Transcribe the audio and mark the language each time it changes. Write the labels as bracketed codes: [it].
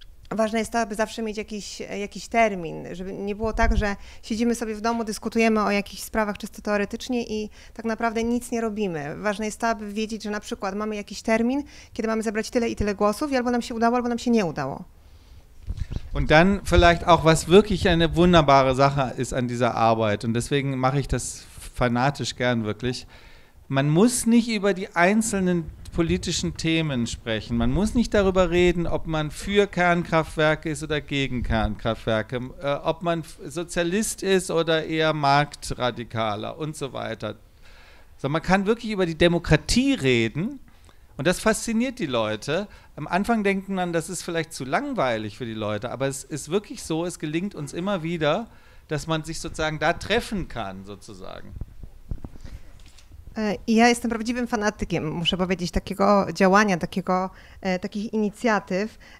[pl] Ważne jest to, aby zawsze mieć jakiś termin, żeby nie było tak, że siedzimy sobie w domu, dyskutujemy o jakichś sprawach czysto teoretycznie i tak naprawdę nic nie robimy. Ważne jest to, aby wiedzieć, że na przykład mamy jakiś termin, kiedy mamy zebrać tyle i tyle głosów i albo nam się udało, albo nam się nie udało. [de] Und dann vielleicht auch, was wirklich eine wunderbare Sache ist an dieser Arbeit, und deswegen mache ich das fanatisch gern wirklich, man muss nicht über die einzelnen politischen Themen sprechen, man muss nicht darüber reden, ob man für Kernkraftwerke ist oder gegen Kernkraftwerke, ob man Sozialist ist oder eher Marktradikaler und so weiter, sondern man kann wirklich über die Demokratie reden. Und das fasziniert die Leute. Am Anfang denken man, das ist vielleicht zu langweilig für die Leute, aber es ist wirklich so, es gelingt uns immer wieder, dass man sich sozusagen da treffen kann, sozusagen. [pl] Ja jestem prawdziwym fanatykiem, muszę powiedzieć, takiego działania, takich inicjatyw.